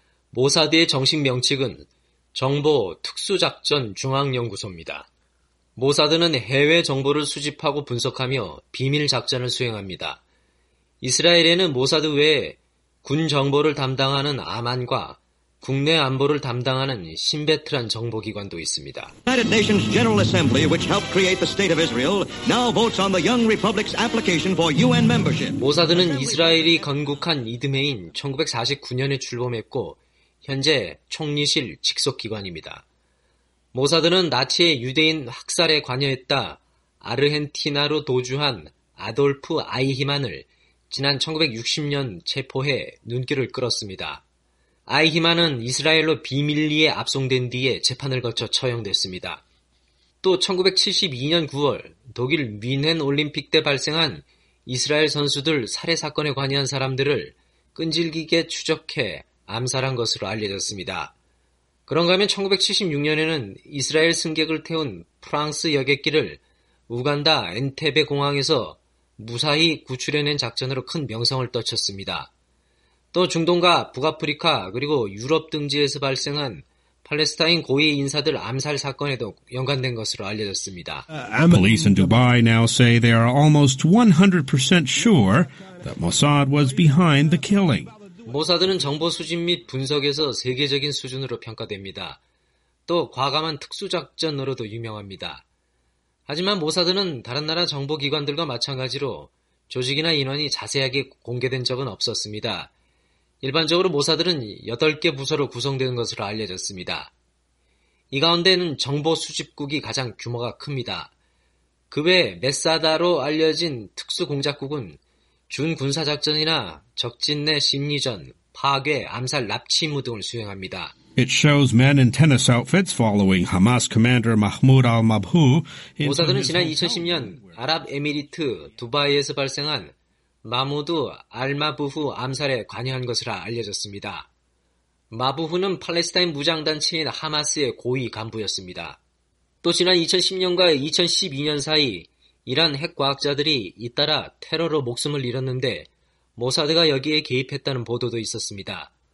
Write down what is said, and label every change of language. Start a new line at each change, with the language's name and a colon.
Korean: 모사드의 정식 명칭은 정보 특수작전 중앙연구소입니다. 모사드는 해외 정보를 수집하고 분석하며 비밀 작전을 수행합니다. 이스라엘에는 모사드 외에 군 정보를 담당하는 아만과 국내 안보를 담당하는 신베트란 정보기관도 있습니다.
English: United Nations General Assembly, which helped create the state of Israel, now votes on the Young Republic's application for UN membership.
Korean: 모사드는 이스라엘이 건국한 이듬해인 1949년에 출범했고 현재 총리실 직속기관입니다. 모사드는 나치의 유대인 학살에 관여했다 아르헨티나로 도주한 아돌프 아이히만을 지난 1960년 체포해 눈길을 끌었습니다. 아이히만은 이스라엘로 비밀리에 압송된 뒤에 재판을 거쳐 처형됐습니다. 또 1972년 9월 독일 뮌헨 올림픽 때 발생한 이스라엘 선수들 살해 사건에 관여한 사람들을 끈질기게 추적해 암살한 것으로 알려졌습니다. 그런가 하면 1976년에는 이스라엘 승객을 태운 프랑스 여객기를 우간다 엔테베 공항에서 무사히 구출해낸 작전으로 큰 명성을 떨쳤습니다. 또 중동과 북아프리카 그리고 유럽 등지에서 발생한 팔레스타인 고위 인사들 암살 사건에도 연관된 것으로 알려졌습니다.
English: Police in Dubai now say they are almost 100% sure that Mossad was behind the killing.
Korean: 모사드는 정보 수집 및 분석에서 세계적인 수준으로 평가됩니다. 또 과감한 특수작전으로도 유명합니다. 하지만 모사드는 다른 나라 정보기관들과 마찬가지로 조직이나 인원이 자세하게 공개된 적은 없었습니다. 일반적으로 모사드는 8개 부서로 구성된 것으로 알려졌습니다. 이 가운데는 정보 수집국이 가장 규모가 큽니다. 그 외 메사다로 알려진 특수공작국은 준군사작전이나 적진 내 심리전, 파괴, 암살, 납치 임무 등을 수행합니다.
English: It shows men in tennis outfits following Hamas commander Mahmoud al-Mabhouh.
Korean: 모사드는 지난 2010년 아랍에미리트 두바이에서 발생한 마무드 알마부후 암살에 관여한 것으로 알려졌습니다. 마부후는 팔레스타인 무장단체인 하마스의 고위 간부였습니다. 또 지난 2010년과 2012년 사이 이란 핵과학자들이 잇따라 테러로 목숨을 잃었는데 모사드가 여기에 개입했다는 보도도 있었습니다.